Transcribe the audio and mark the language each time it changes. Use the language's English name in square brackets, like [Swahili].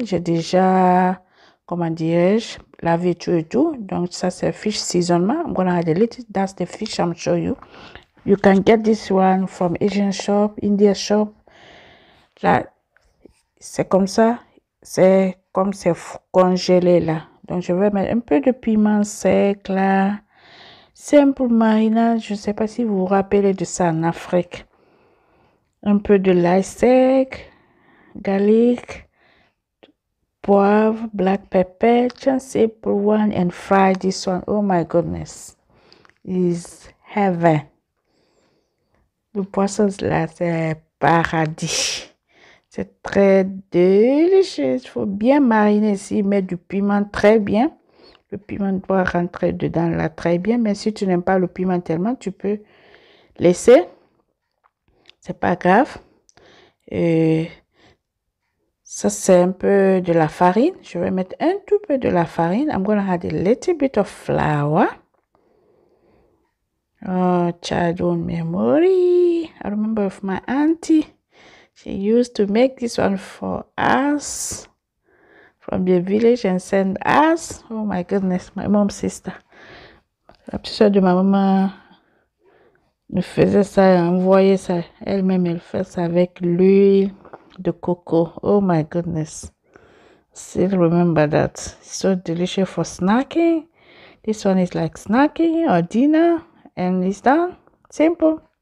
[French] J'ai déjà, comment dirais-je, lavé tout et tout. Donc, ça, c'est [English] fish seasonement. I'm gonna add a little. That's the fish I'm showing you. You can get this one from Asian shop, India shop. [French] Là, c'est comme ça. C'est comme c'est congelé là. Donc, je vais mettre un peu de piment sec là. [English] Simple marinade. [French] Je ne sais pas si vous vous rappelez de ça en Afrique. Un peu de l'ail sec, garlic, poivre, black pepper. [English] Just simple one and fry this one. Oh my goodness. It's heaven. [French] Le poisson là, c'est paradis. C'est très délicieux. Il faut bien mariner ici. Mettre du piment très bien. Le piment doit rentrer dedans là très bien. Mais si tu n'aimes pas le piment tellement, tu peux laisser. C'est pas grave. Et ça, c'est un peu de la farine. Je vais mettre un tout peu de la farine. [English] I'm going to add a little bit of flour. Oh, childhood memory. I remember of my auntie. She used to make this one for us from the village and send us. Oh my goodness, my mom's sister. [French] La petite soeur de ma maman nous faisait ça, envoyait ça. Elle-même, elle fait ça avec l'huile de coco. [English] Oh my goodness. Still remember that. So delicious for snacking. This one is like snacking or dinner. And it's done. Simple.